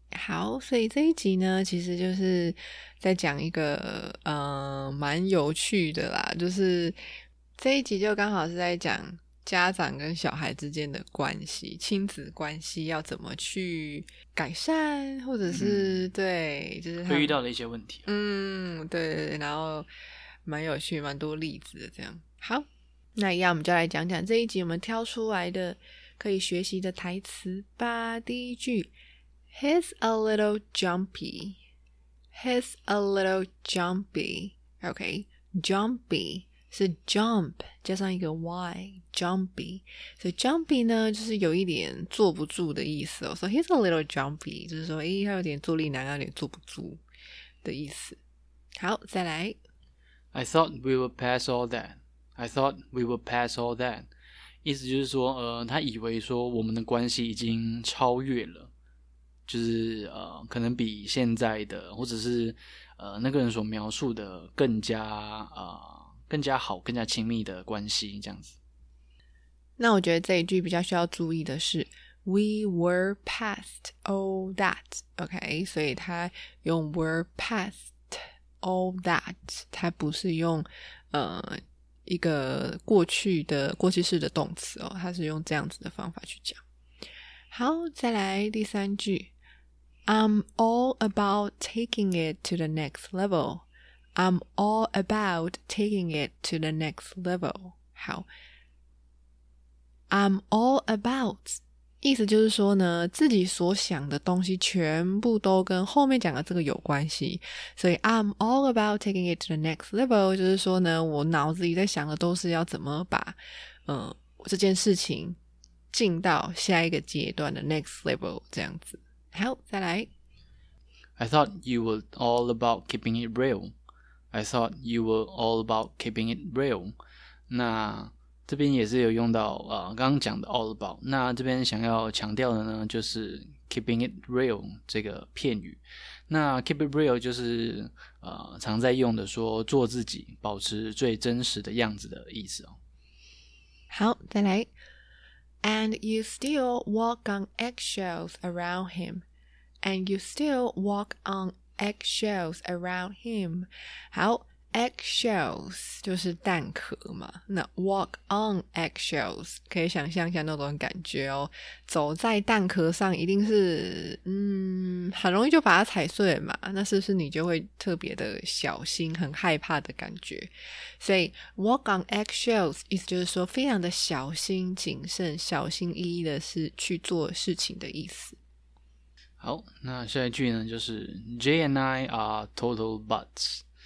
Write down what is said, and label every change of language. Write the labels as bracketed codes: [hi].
[zh] 好，所以这一集呢，其实就是在讲一个蛮有趣的啦，就是这一集就刚好是在讲家长跟小孩之间的关系，亲子关系要怎么去改善，或者是、对，就是会遇到的一些问题。嗯，对，然后蛮有趣，蛮多例子的这样。好，那一样我们就来讲讲这一集我们挑出来的可以学习的台词吧。第一句 [en] ，He's a little jumpy. He's a little jumpy. OK, jumpy. [zh] 是 jump 加上一个 y jumpy， 所以 jumpy 呢就是有一点坐不住的意思哦。 [en] So he's a little jumpy， [zh] 就是说诶他有点坐立难安，有点坐不住的意思。好，再来。 [en] I thought we would pass all that. I thought we would pass all that. [zh] 意思就是说，他以为说我们的关系已经超越了，就是可能比现在的或者是那个人所描述的更加好，更加亲密的关系这样子。那我觉得这一句比较需要注意的是 [en] We were past all that， [zh] OK， 所以他用 [en] were past all that， [zh] 他不是用一个过去式的动词哦，他是用这样子的方法去讲。好，再来第三句。 [en] I'm all about taking it to the next levelI'm all about taking it to the next level. [zh] 好， [en] I'm all about 意思就是说呢，自己所想的东西全部都跟后面讲的这个有关系，所以 I'm all about taking it to the next level [zh] 就是说呢，我脑子里在想的都是要怎么把这件事情进到下一个阶段的 next level 这样子。好，再来。 [en] I thought you were all about keeping it realI thought you were all about keeping it real. [zh] 那这边也是有用到刚刚讲的 all about. 那这边想要强调的呢就是 [en] keeping it real [zh] 这个片语。那 [en] keep it real [zh] 就是常在用的说做自己，保持最真实的样子的意思哦。好，再来。 [en] And you still walk on eggshells around him. And you still walk on eggshells around him. [zh] 好， eggshells 就是蛋壳嘛，那 walk on eggshells 可以想象一下那种感觉哦，走在蛋壳上一定是很容易就把它踩碎嘛，那是不是你就会特别的小心，很害怕的感觉。所以 walk on eggshells 意思就是说非常的小心谨慎，小心翼翼的是去做事情的意思。好，那下一句呢就是 [en] Jay and I are total buds.